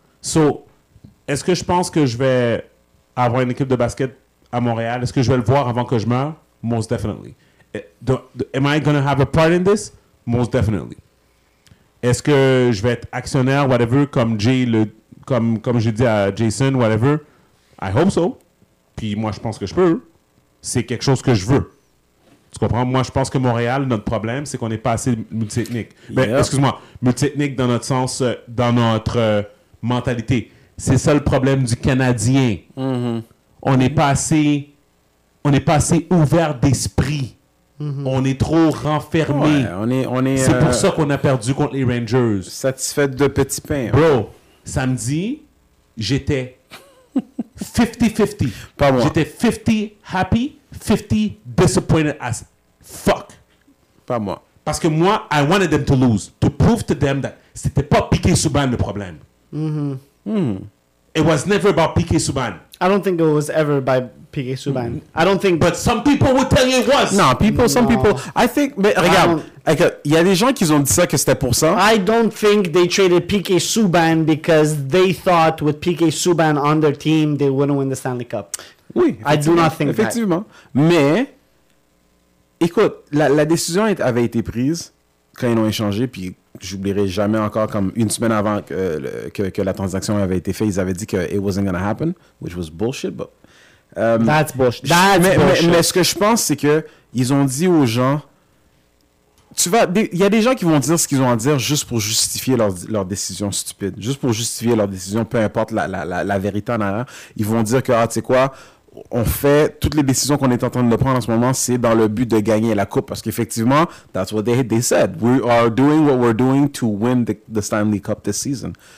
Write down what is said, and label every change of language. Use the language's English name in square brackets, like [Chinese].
[French] So, est-ce que je pense que je vais avoir une équipe de basket à Montréal? Est-ce que je vais le voir avant que je meure? [English] Most definitely. Am I going to have a part in this? Most definitely. [French] Est-ce que je vais être actionnaire, whatever, comme Jay, comme j'ai dit à Jason, whatever? [English] I hope so. [French] Puis moi, je pense que je peux. C'est quelque chose que je veux. Tu comprends? Moi, je pense que Montréal, notre problème, c'est qu'on n'est pas assez multiethnique. Mais excuse-moi, multiethnique dans notre sens, dans notre mentalité. C'est ça le problème du Canadien. Mm-hmm. On n'est pas assez ouvert d'esprit. Mm-hmm. On est trop renfermé. Ouais, on est, c'est pour ça qu'on a perdu contre les Rangers. Satisfait de petit pain. Bro, samedi, j'étais 50-50. Pas moi. J'étais [English] 50 happy, 50 disappointed as fuck. [French] Pas moi. Parce que moi, [English] I wanted them to lose. To prove to them that [French] c'était pas Piqué Subban le problème. Mm-hmm. Mm. [English] It was never about Piqué Subban. I don't think it was ever by Piqué Subban. Mm. I don't think... But some people would tell you it was. No, people, some no. people... I think... [French] Mais regarde, il y a des gens qui ont dit ça que c'était pour ça. [English] I don't think they traded Piqué Subban because they thought with Piqué Subban on their team, they wouldn't win the Stanley Cup. [French] Oui. [English] I do not think [French] effectivement. [English] That. [French] Effectivement. Mais, écoute, la décision avait été prise quand ils ont échangé, puis j'oublierai jamais encore comme une semaine avant que la transaction avait été faite, ils avaient dit que [English] it wasn't gonna happen, which was bullshit, but that's bullshit. That's bullshit. [French] Mais ce que je pense, c'est que ils ont dit aux gens, tu vas, il y a des gens qui vont dire ce qu'ils ont à dire juste pour justifier leur décision stupide, juste pour justifier leur décision, peu importe la vérité en arrière, ils vont dire que ah, tu sais quoi, on fait toutes les décisions qu'on est en train de prendre en ce moment, c'est dans le but de gagner la coupe. Parce qu'effectivement, [English] that's what they said. We are doing what we're doing to win the Stanley Cup this season.